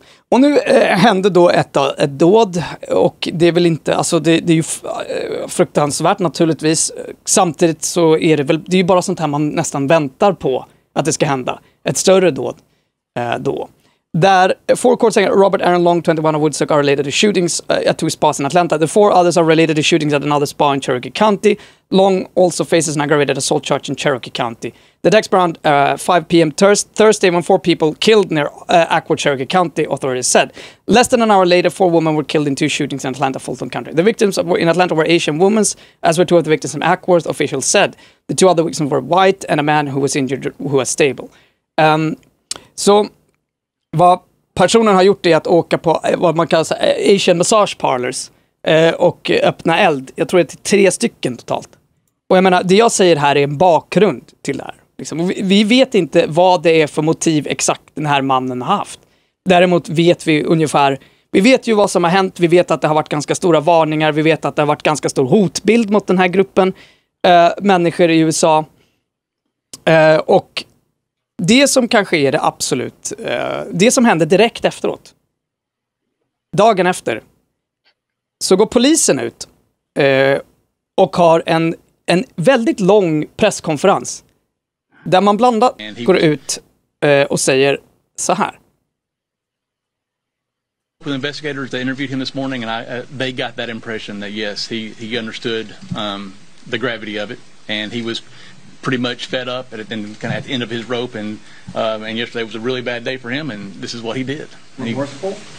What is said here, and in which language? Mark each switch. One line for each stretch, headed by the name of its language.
Swedish: Och nu hände då ett dåd, och det är väl inte, alltså det är ju fruktansvärt naturligtvis. Samtidigt så är det väl, det är ju bara sånt här man nästan väntar på att det ska hända. Ett större dåd då.
English: Där four courts saying Robert Aaron Long, 21, of Woodstock are related to shootings at two spas in Atlanta. The four others are related to shootings at another spa in Cherokee County. Long also faces an aggravated assault charge in Cherokee County. The next round, 5 p.m. Thursday, when four people killed near Aqua, Cherokee County, authorities said. Less than an hour later, four women were killed in two shootings in Atlanta, Fulton County. The victims in Atlanta were Asian women, as were two of the victims in Aqua, officials said. The two other victims were white and a man who was injured, who was stable.
Swedish: Vad personen har gjort är att åka på vad man kallar
English: Asian massage parlors
Swedish: och öppna eld. Jag tror det är 3 stycken totalt. Och jag menar, det jag säger här är en bakgrund till det här. Liksom, vi vet inte vad det är för motiv exakt den här mannen har haft. Däremot vet vi ungefär, vi vet ju vad som har hänt. Vi vet att det har varit ganska stora varningar. Vi vet att det har varit ganska stor hotbild mot den här gruppen människor i USA. Och det som kanske är det absolut, det som hände direkt efteråt, dagen efter, så går polisen ut och har en väldigt lång presskonferens där man blandat går ut och säger så här.
English: The investigators that interviewed him this morning and they got that impression that yes, he understood the gravity of it and he was pretty much fed up at then kind of at the end of his rope and yesterday was a really bad day for him and this is what he did. Remorseful?